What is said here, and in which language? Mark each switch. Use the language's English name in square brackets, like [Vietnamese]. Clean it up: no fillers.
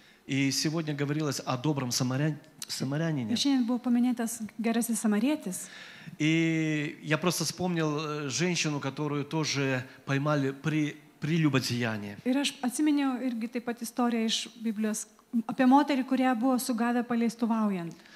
[Russian] И сегодня говорилось о добром самарянине. [Lithuanian] Šiandien buvo paminėtas gerasis samarietis. [Russian] И я просто вспомнил женщину, которую тоже поймали при прелюбодеянии. [Lithuanian] Ir aš atsiminėjau irgi taip pat istoriją iš Biblijos apie moterį, kurią buvo sugavę paleistuvaujant.